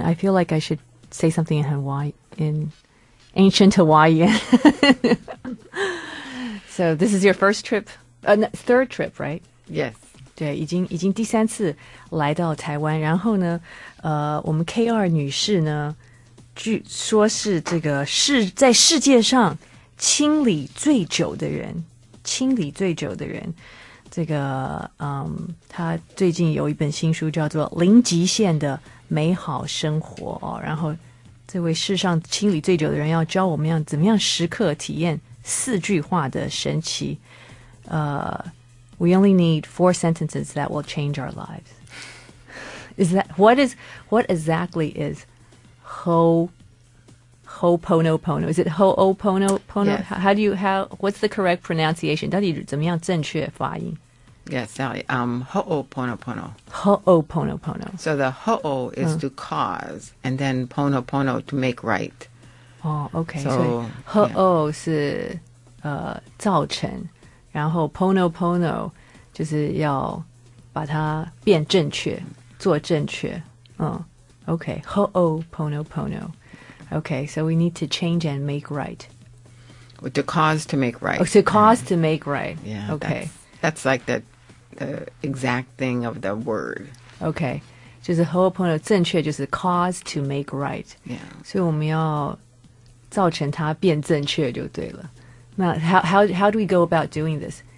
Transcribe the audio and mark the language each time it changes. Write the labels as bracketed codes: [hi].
[en] I feel like I should say something in Ancient Hawaiian. So this is your first trip, third trip, right? Yes. [zh] 对，已经第三次来到台湾。然后呢，我们 KR 女士呢，据说是这个在世界上清理最久的人，清理最久的人。这个，她最近有一本新书叫做《零极限的美好生活》哦，然后。这位世上清理最久的人要教我们要怎么样时刻体验四句话的神奇。 [en] We only need four sentences that will change our lives. What exactly is Ho'oponopono? Is it Ho'oponopono? Yes. What's the correct pronunciation? [zh] 到底怎么样正确发音? [en] Yes, Sally. Ho'oponopono. Ho'oponopono. So the ho'o is to cause, and then ponopono to make right. Oh, okay. So ho'o is [zh] 造成，然后 ponopono 就是要把它变正确，做正确。 [en] Okay. Ho'oponopono. Okay, so we need to change and make right. To cause to make right. Oh, to cause to make right. Yeah. Okay. That's like the exact thing of the word. [zh] Okay. 就是 Ho'oponopono 正确就是 [en] cause to make right. Yeah. [zh] 所以我们要造成它变正确就对了。 [en] 那 how do we go about doing this?